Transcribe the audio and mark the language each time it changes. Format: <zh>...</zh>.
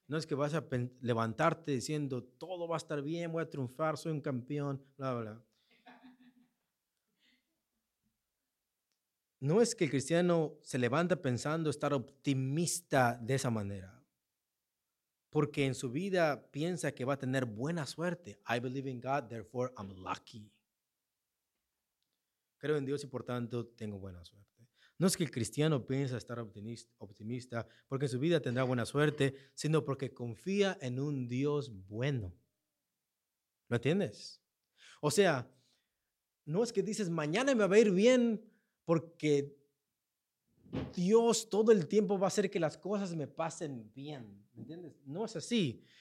<es>No es que vas a levantarte diciendo, todo va a estar bien, voy a triunfar, soy un campeón, bla, bla. no es que el cristiano se levanta pensando estar optimista de esa manera, porque en su vida piensa que va a tener buena suerte.</es> <en>I believe in God, therefore I'm lucky.</en> <es>Creo en Dios y por tanto tengo buena suerte. No es que el cristiano piensa estar optimista porque en su vida tendrá buena suerte, sino porque confía en un Dios bueno. ¿Lo entiendes? O sea, no es que dices mañana me va a ir bien porque Dios todo el tiempo va a hacer que las cosas me pasen bien. ¿Me entiendes? No es así.</es>